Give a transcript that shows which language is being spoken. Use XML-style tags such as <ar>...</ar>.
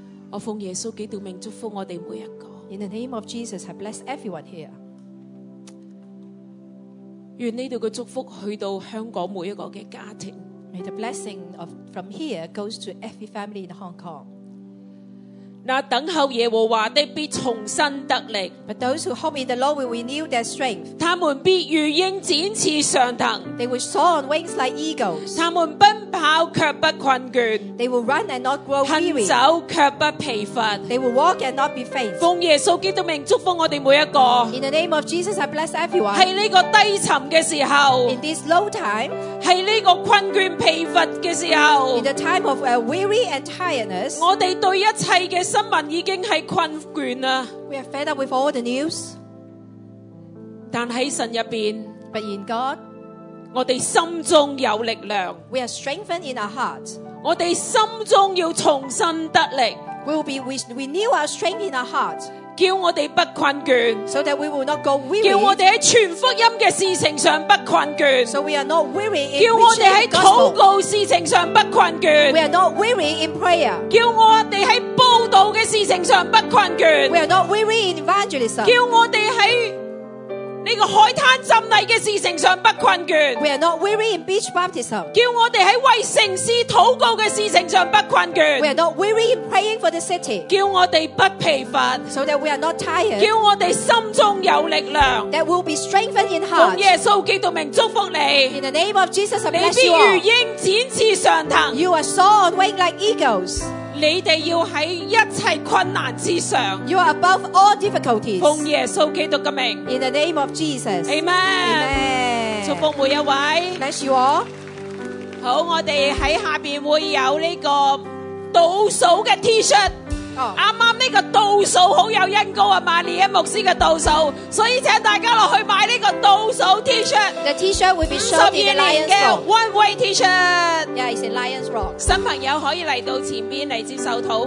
<zh>我奉耶稣基督名祝福我们每一个。</zh> <en>In the name of Jesus, I bless everyone here.</en> <zh>愿这里的祝福去到香港每一个的家庭。</zh> <en>May the blessing of, from here goes to every family in Hong Kong.</en> <zh>那等候耶和华的必重新得力。</zh> <en>But those who hope in the Lord will renew their strength.</en> <zh>他们必如鹰展翅上腾。</zh> <en>They will soar on wings like eagles.</en> <zh>他们奔跑却不困倦</zh> <en>，They will run and not grow weary.</en> <zh>行走却不疲乏</zh> <en>，They will walk and not be faint.</en> <zh>奉耶稣基督名祝福我哋每一个。</zh> <en>In the name of Jesus, I bless everyone.</en> <zh>喺呢个低沉嘅时候</zh> <en>，In this low time,</en> <zh>喺呢个困倦疲乏嘅时候</zh> <en>，In the time of weary and tiredness,</en> <zh>我哋对一切嘅新闻已经系困倦啦。</zh> <en>We are fed up with all the news.</en> <zh>但喺神入边</zh> <en>，But in God.</en> <zh>我哋心中有力量。</zh> <en>We are strengthened in our heart.</en> <zh>我哋心中要重新得力。</zh> <en>We will be renew our strength in our heart.</en> <zh>叫我哋不困倦。</zh> <en>So that we will not go weary.</en> <zh>叫我哋喺传福音嘅事情上不困倦。</zh> <en>So we are not weary in preaching the gospel.</en> <zh>叫我哋喺祷告事情上不困倦。</zh> <en>We are not weary in prayer.</en> <zh>叫我哋喺报道嘅事情上不困倦。</zh> <en>We are not weary in evangelism.</en> <zh>叫我哋喺呢这个海滩浸礼的事情上不困倦。</zh> <en>We are not weary in beach baptism.</en> <zh>叫我们在为城市祷告的事情上不困倦。</zh> <en>We are not weary in praying for the city.</en> <zh>叫我们不疲乏。</zh> <en>So that we are not tired.</en> <zh>叫我们心中有力量。</zh> <en>That will be strengthened in heart.</en> <zh>奉耶稣基督名祝福你。</zh> <en>In the name of Jesus, I bless you all.</en> <zh>你必如鹰展翅上腾。</zh> <en>You are soaring wing like eagles.</en> <zh>你们要在一切困难之上。</zh> <en>You are above all difficulties.</en> <zh>奉耶稣基督的名。</zh> <en>In the name of Jesus. Amen. Amen.</en> <zh>祝福每一位。</zh> <en>Bless you all.</en> <zh>好，我们在下面会有这个倒数的 T-shirt。刚刚这个倒数很有恩膏啊，玛利亚牧师的倒数，所以请大家落去买这个倒数 T-shirt。</zh> <en>The T-shirt will be sold in the Lion's Rock. 52年的 One-Way T-shirt. Yeah, it's in Lion's Rock.</en> <zh>新朋友可以来到前面来接受祷告。</zh>